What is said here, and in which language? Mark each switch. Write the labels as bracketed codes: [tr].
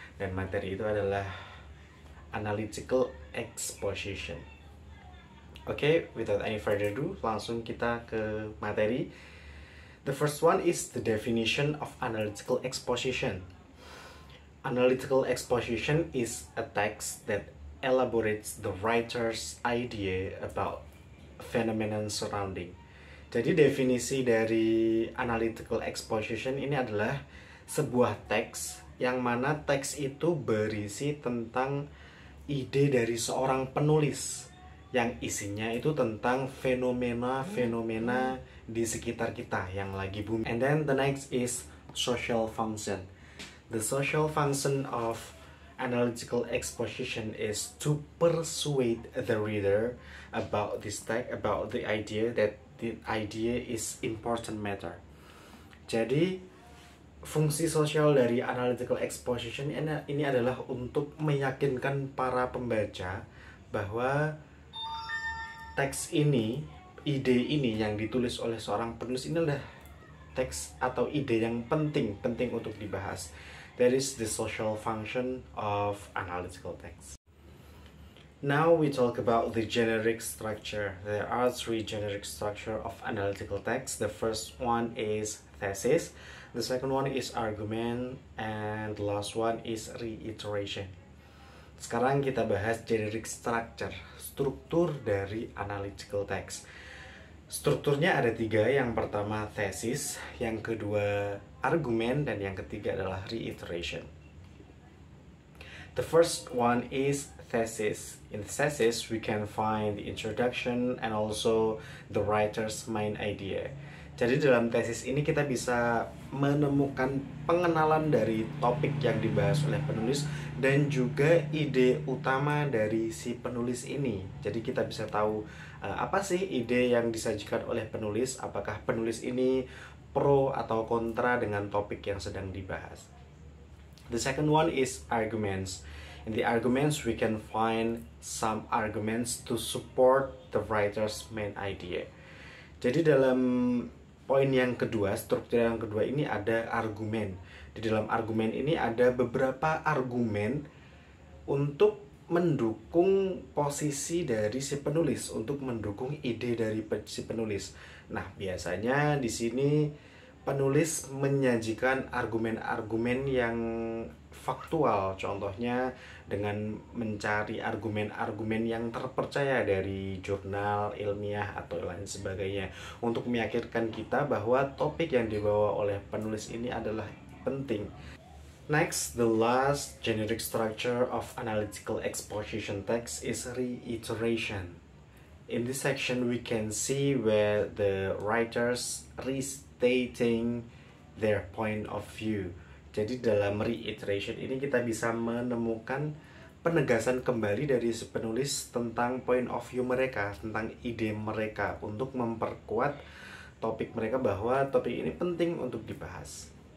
[id] Dan materi itu adalah analytical exposition. Oke, okay, without any further ado, langsung kita ke materi. [en] The first one is the definition of analytical exposition. Analytical exposition is a text that elaborates the writer's idea about phenomenon surrounding. [id] Jadi definisi dari analytical exposition ini adalah sebuah teks yang mana teks itu berisi tentang ide dari seorang penulis yang isinya itu tentang fenomena-fenomena di sekitar kita yang lagi booming. [en] And then the next is social function. The social function of analytical exposition is to persuade the reader about this text, about the idea, that the idea is important matter. [id] Jadi fungsi sosial dari analytical exposition ini adalah untuk meyakinkan para pembaca bahwa teks ini, ide ini yang ditulis oleh seorang penulis ini adalah teks atau ide yang penting, penting untuk dibahas. [en] That is the social function of analytical text. Now we talk about the generic structure. There are three generic structure of analytical text. The first one is thesis, the second one is argument, and the last one is reiteration. [id] Sekarang kita bahas generic structure, struktur dari analytical text. Strukturnya ada tiga, yang pertama thesis, yang kedua argument, dan yang ketiga adalah reiteration. [en] The first one is thesis. In thesis, we can find the introduction and also the writer's main idea. [id] Jadi dalam tesis ini kita bisa menemukan pengenalan dari topik yang dibahas oleh penulis dan juga ide utama dari si penulis ini. Jadi kita bisa tahu apa sih ide yang disajikan oleh penulis, apakah penulis ini pro atau kontra dengan topik yang sedang dibahas. [en] The second one is arguments. In the arguments, we can find some arguments to support the writer's main idea. [id] Jadi dalam poin yang kedua, struktur yang kedua ini ada argumen. Di dalam argumen ini ada beberapa argumen untuk mendukung posisi dari si penulis, untuk mendukung ide dari si penulis. Nah, biasanya di sini penulis menyajikan argumen-argumen yang faktual, contohnya dengan mencari argumen-argumen yang terpercaya dari jurnal ilmiah atau lain sebagainya untuk meyakinkan kita bahwa topik yang dibawa oleh penulis ini adalah penting. [en] Next, the last generic structure of analytical exposition text is reiteration. In this section, we can see where the writers restating their point of view. [id] Jadi dalam reiteration ini kita bisa menemukan penegasan kembali dari si penulis tentang point of view mereka, tentang ide mereka, untuk memperkuat topik mereka bahwa topik ini penting untuk dibahas.